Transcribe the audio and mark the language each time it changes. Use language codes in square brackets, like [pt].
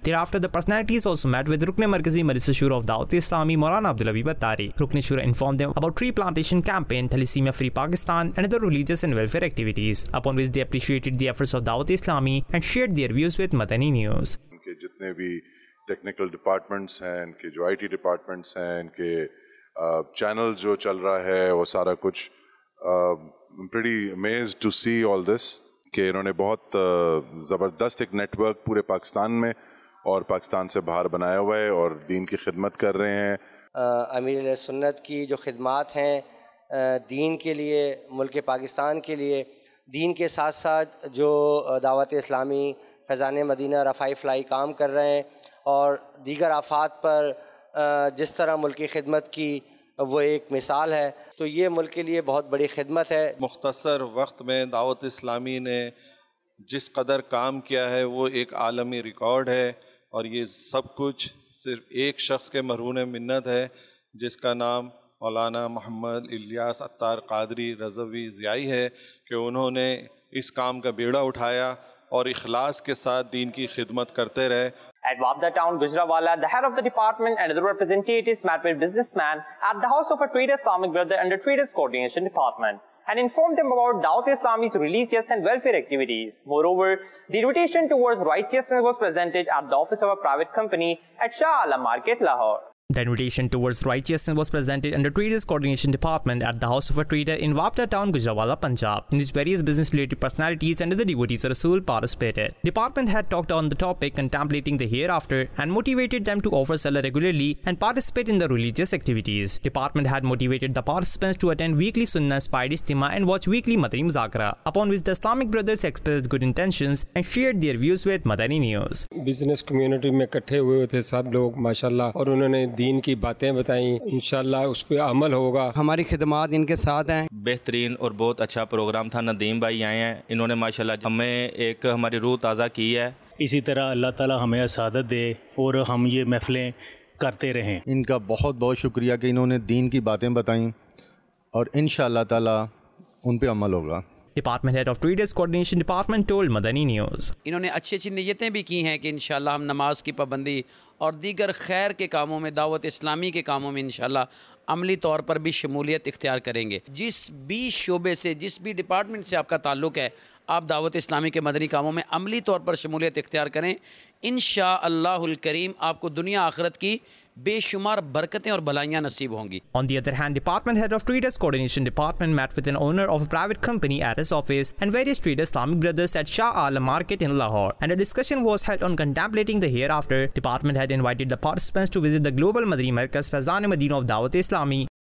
[en] Thereafter, the personalities also met with Rukn-e-Markazi Majlis-e Shura of Dawat-e-Islami Maulana Abdul Abi Battari. Rukn-e-Shura informed them about tree plantation campaign, Thalassemia Free Pakistan and other religious and welfare activities, upon which they appreciated the efforts of Dawat-e-Islami and shared their views with Madani News. [ur] Technical departments ہیں, ان کے جو I T departments ہیں, ان کے channel جو چل رہا ہے, وہ سارا کچھ [en] Pretty amazed to see all this. [ur] کہ انہوں نے بہت زبردست ایک نیٹ ورک پورے پاکستان میں اور پاکستان سے باہر بنایا ہوا ہے اور دین کی خدمت کر رہے ہیں. امیر اہل سنت کی جو خدمات ہیں دین کے لیے, ملک پاکستان کے لیے, دین کے ساتھ ساتھ جو دعوت اسلامی, فیضان مدینہ, رفائی فلائی کام کر رہے ہیں اور دیگر آفات پر جس طرح ملکی خدمت کی, وہ ایک مثال ہے. تو یہ ملک کے لیے بہت بڑی خدمت ہے. مختصر وقت میں دعوت اسلامی نے جس قدر کام کیا ہے وہ ایک عالمی ریکارڈ ہے, اور یہ سب کچھ صرف ایک شخص کے مرہون منت ہے جس کا نام مولانا محمد الیاس عطار قادری رضوی ضیاعی ہے, کہ انہوں نے اس کام کا بیڑا اٹھایا اور اخلاص کے ساتھ دین کی خدمت کرتے رہے. [en] At Wabda town, Gujranwala, the head of the department and other representatives met with businessmen at the house of a Tweed Islamic brother under Tweed's coordination department and informed them about Dawat Islami's religious and welfare activities. Moreover, the invitation towards righteousness was presented at the office of a private company at Shah Alam Market, Lahore. The invitation towards righteousness was presented under Traders Coordination Department at the house of a trader in Wapta town, Gujranwala, Punjab, in which various business related personalities and other devotees of Rasool participated. Department had talked on the topic contemplating the hereafter and motivated them to offer salah regularly and participate in the religious activities. Department had motivated the participants to attend weekly sunnah inspired istima and watch weekly Madani Muzakara, upon which the Islamic brothers expressed good intentions and shared their views with Madani News. [ur] Business community mein ikatthe hue the sab log, mashallah, aur unhone دین کی باتیں بتائیں, انشاءاللہ اس پہ عمل ہوگا. ہماری خدمات ان کے ساتھ ہیں. بہترین اور بہت اچھا پروگرام تھا. ندیم بھائی آئے ہیں, انہوں نے ماشاءاللہ ہمیں ایک ہماری روح تازہ کی ہے. اسی طرح اللہ تعالی ہمیں سعادت دے اور ہم یہ محفلیں کرتے رہیں. ان کا بہت بہت شکریہ کہ انہوں نے دین کی باتیں بتائیں اور انشاءاللہ تعالی ان پہ عمل ہوگا. [en] Department Head of Traders Coordination Department told Madani News. [ur] انہوں نے اچھی اچھی نیتیں بھی کی ہیں کہ انشاءاللہ ہم نماز کی پابندی اور دیگر خیر کے کاموں میں, دعوت اسلامی کے کاموں میں انشاءاللہ عملی طور پر بھی شمولیت اختیار کریں گے. جس بھی شعبے سے, جس بھی ڈپارٹمنٹ سے آپ کا تعلق ہے, آپ دعوت اسلامی کے مدنی کاموں میں عملی طور پر شمولیت اختیار کریں. انشاءاللہ الکریم آپ کو دنیا آخرت کی بے شمار برکتیں اور بھلائیاں نصیب ہوں گی. [en] On the other hand, department head of Traders Coordination Department met with an owner of a private company at his office and various Traders Islamic brothers at Shah Alam Market in Lahore, and a discussion was held on contemplating the hereafter. Department had invited the participants to visit the Global Madani Markaz Fazan Madina of Dawat Islami.